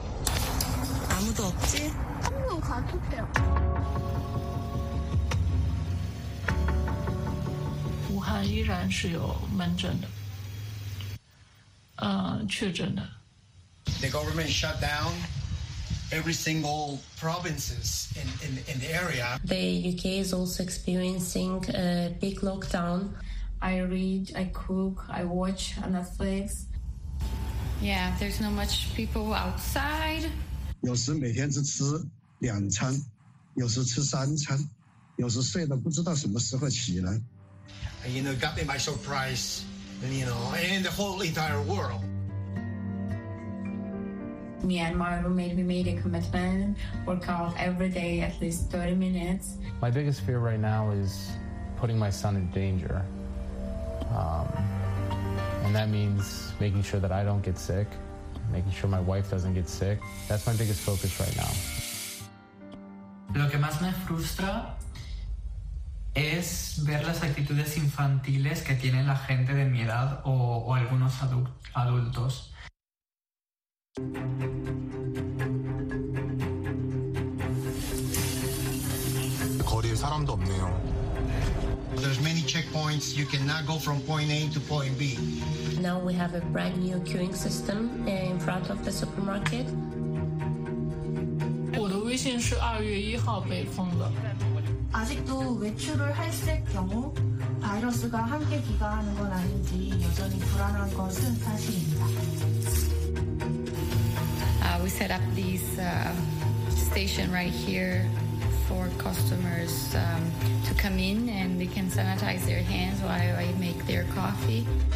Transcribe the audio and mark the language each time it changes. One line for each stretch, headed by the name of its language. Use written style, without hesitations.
Chinese: 但是的话呢，准备还是不足的。其实我挺怕，就是作为一个成年人，但是没有办法来改变这种，就你明明知道一场灾难在降临。
Korean: 아무도 없지？
Chinese: 武汉依然是有门诊的，确诊的。
English: The government shut down every single provinces in the area. The UK is also experiencing a big lockdown. I read, I cook, I watch Netflix. Yeah, there's not much people outside.
Chinese: 有时每天只吃 两餐，有时吃三餐，有时睡得不知道什么时候起来。
English: You know, got me by surprise, and you know, and the whole entire world. Myanmar made a commitment, work out every day at least 30 minutes. My biggest fear right now is putting my son in danger. And that means making sure that I don't get sick, making sure my wife doesn't get sick. That's my biggest focus right now.
Spanish: Lo que más me frustra es ver las actitudes infantiles que tiene la gente de mi edad o algunos adultos.
English: There's many checkpoints. You cannot go from point A to point B. Now we have a brand new queuing system in front of the supermarket.
Chinese: 微信是2月1号被封的。
Korean: 아직도 외출을 했을 경우 바이러스가 함께 기가하는 건 아닌지 여전히 불안한 것은 사실입니다.
English: We set up this station right here for customers to come in and they can sanitize their hands while I make their coffee.